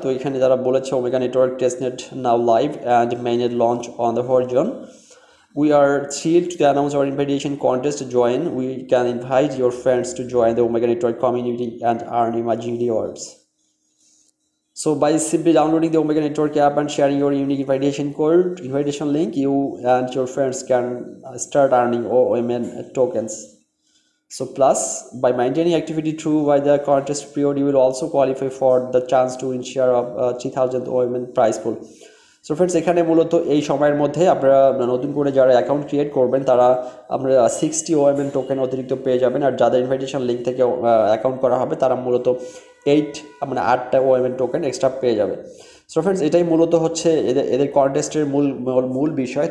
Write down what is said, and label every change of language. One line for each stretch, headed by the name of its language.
Bangla: তো এখানে তারা বলেছে,
English: Omega network testnet now live and mainnet launch on the horizon, we are thrilled to announce our invitation contest join, we can invite your friends to join the Omega network community and earn emerging rewards. So by simply downloading the Omega network app and sharing your unique invitation code invitation link, you and your friends can start earning OMN tokens. So plus, by maintaining activity through by the contest period, you will also qualify for the chance to win share of 3000 OMN prize pool.
Bangla: So friends, এখানে মূলত এই সময়ের মধ্যে আপনারা নতুন করে যারা account create করবেন, তারা আপনারা 60 OMN টোকেন অতিরিক্ত পেয়ে যাবেন। আর যাদের ইনভাইটেশন লিঙ্ক থেকে অ্যাকাউন্ট করা হবে, তারা মূলত 8টা ওয়েমেন টোকেন এক্সট্রা পেয়ে যাবে। সো फ्रेंड्स এটাই মূলত হচ্ছে এদের কনটেস্টের মূল মূল বিষয়।